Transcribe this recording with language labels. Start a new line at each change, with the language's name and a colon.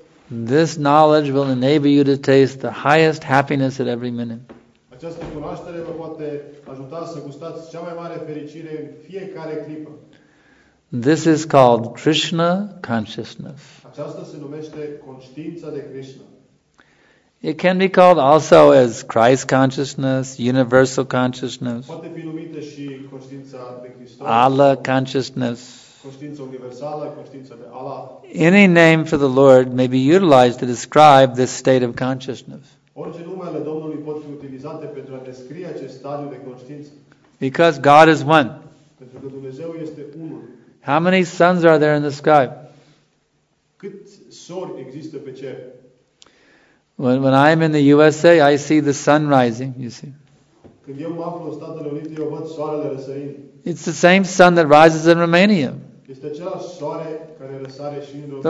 English: This knowledge will enable you to taste the highest happiness at every minute.
Romanian: Această cunoaștere vă poate ajuta să gustați cea mai mare fericire în fiecare clipă.
English: This is called Krishna consciousness.
Romanian: Aceasta se numește conștiința de Krishna.
English: It can be called also as Christ consciousness, universal consciousness.
Romanian: Poate fi numită și conștiința de Hristos.
English: Allah consciousness.
Romanian: Conștiința universală, conștiința de Allah.
English: Any name for the Lord may be utilized to describe this state of consciousness.
Romanian: Orice numele Domnului pot fi utilizate pentru a descrie acest stadiu de conștiință.
English: Because God is one.
Romanian: Pentru că Dumnezeu este unul.
English: How many suns are there in the sky?
Romanian: Cât sori există pe cer?
English: When I am in the USA, I see the sun rising, you see.
Romanian: Când eu mă aflu în Statele Unite, eu văd soarele răsărind.
English: It's the same sun that rises in Romania.
Romanian: Este același soare care răsare și în Romania.